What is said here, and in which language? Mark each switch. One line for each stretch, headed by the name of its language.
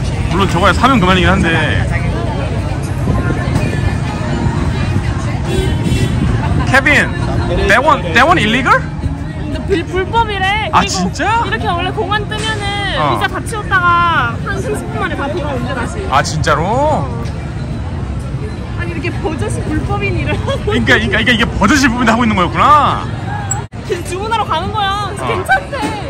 Korean: 물론 저거야 사면 그만이긴 한데.
English: 케빈 that one illegal?
Korean: 불법이래. 아 진짜? 이렇게 원래 공안 뜨면은 어. 의자 다 치웠다가 한 30분 만에 다 돌아온대 다시. 아 진짜로? 아니 이렇게 버젓이 불법인 일을 그러니까 이게 버젓이 불법인 하고 있는 거였구나. 주문하러 가는 거야. 어. 괜찮대.